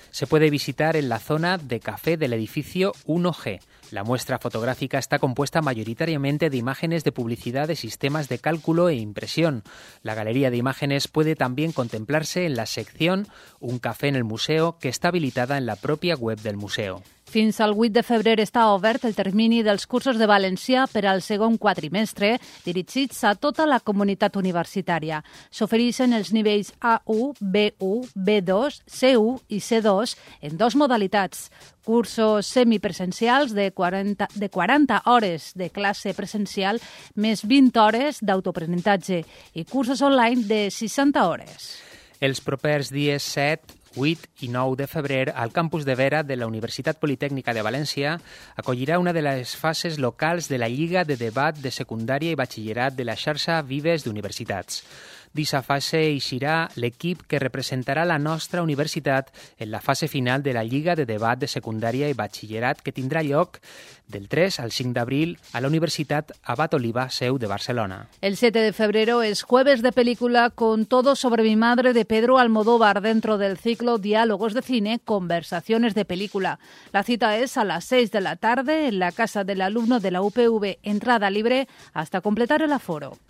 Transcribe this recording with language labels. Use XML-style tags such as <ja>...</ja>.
<es>Se puede visitar en la zona de café del edificio 1G. La muestra fotográfica está compuesta mayoritariamente de imágenes de publicidad de sistemas de cálculo e impresión. La galería de imágenes puede también contemplarse en la sección Un café en el museo, que está habilitada en la propia web del museo.</es> <ca>Fins al 8 de febrer està obert el termini dels cursos de valencià per al segon quadrimestre, dirigits a tota la comunitat universitària. S'ofereixen els nivells A1, B1, B2, C1 i C2 en dues modalitats. Cursos semipresencials de 40 hores de classe presencial més 20 hores d'autoaprenentatge i cursos online de 60 hores. Els propers dies 7... 8 i 9 de febrer, al campus de Vera de la Universitat Politècnica de València, acollirà una de les fases locals de la Lliga de Debat de Secundària i Batxillerat de la xarxa Vives d'Universitats. D'aquesta fase eixirà l'equip que representarà la nostra universitat en la fase final de la Lliga de Debat de Secundària i Batxillerat, que tindrà lloc del 3 al 5 d'abril a la Universitat Abat Oliva Seu de Barcelona.</ca> <es>El 7 de febrero es jueves de película con Todo sobre mi madre de Pedro Almodóvar dentro del ciclo Diálogos de Cine, Conversaciones de Película. La cita es a las 6 de la tarde en la Casa del Alumno de la UPV, entrada libre hasta completar el aforo.</es>